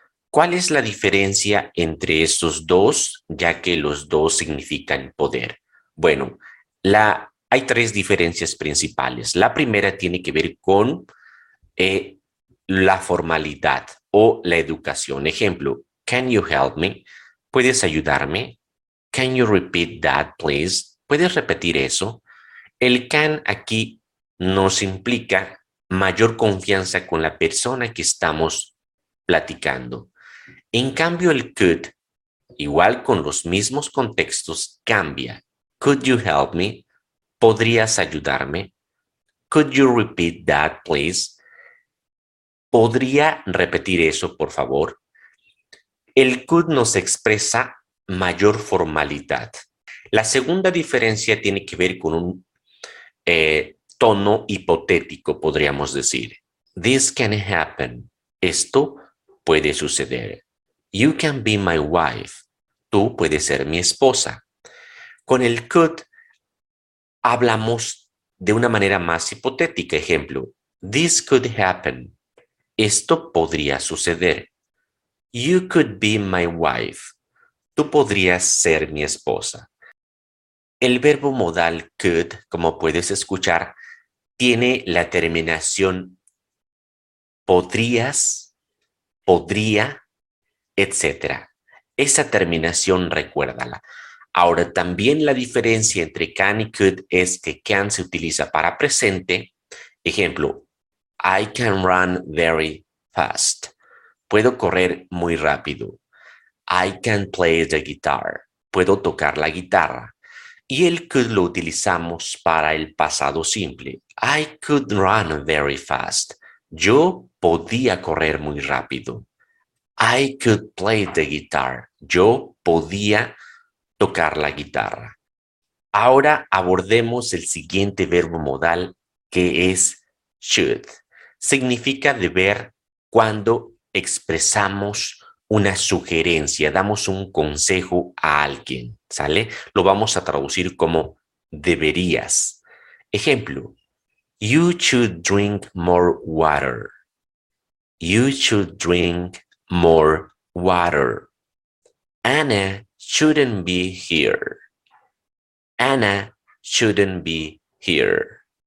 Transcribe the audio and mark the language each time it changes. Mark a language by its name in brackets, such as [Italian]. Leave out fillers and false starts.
[Spanish] ¿Cuál es la diferencia entre estos dos, ya que los dos significan poder? Bueno, hay tres diferencias principales. La primera tiene que ver con la formalidad o la educación. [English] Ejemplo, can you help me? [Spanish] ¿Puedes ayudarme? [English] Can you repeat that, please? [Spanish] ¿Puedes repetir eso? El can aquí nos implica mayor confianza con la persona que estamos platicando. En cambio, el could, igual con los mismos contextos, cambia. [English] Could you help me? [Spanish] ¿Podrías ayudarme? [English] Could you repeat that, please? [Spanish] ¿Podría repetir eso, por favor? El could nos expresa mayor formalidad. La segunda diferencia tiene que ver con un tono hipotético, podríamos decir. [English] This can happen. [Spanish] Esto puede suceder. [English] You can be my wife. [Spanish] Tú puedes ser mi esposa. Con el could hablamos de una manera más hipotética. [English] Ejemplo, this could happen. [Spanish] Esto podría suceder. [English] You could be my wife. [Spanish] Tú podrías ser mi esposa. El verbo modal could, como puedes escuchar, tiene la terminación podrías, podría, etc. Esa terminación, recuérdala. Ahora, también la diferencia entre can y could es que can se utiliza para presente. [English] Ejemplo, I can run very fast. [Spanish] Puedo correr muy rápido. [English] I can play the guitar. [Spanish] Puedo tocar la guitarra. Y el could lo utilizamos para el pasado simple. [English] I could run very fast. [Spanish] Yo podía correr muy rápido. [English] I could play the guitar. [Spanish] Yo podía tocar la guitarra. Ahora abordemos el siguiente verbo modal, que es should. Significa deber cuando expresamos una sugerencia, damos un consejo a alguien, ¿sale? Lo vamos a traducir como deberías. [English] Ejemplo, you should drink more water. You should drink more water. Anna shouldn't be here. Anna shouldn't be here.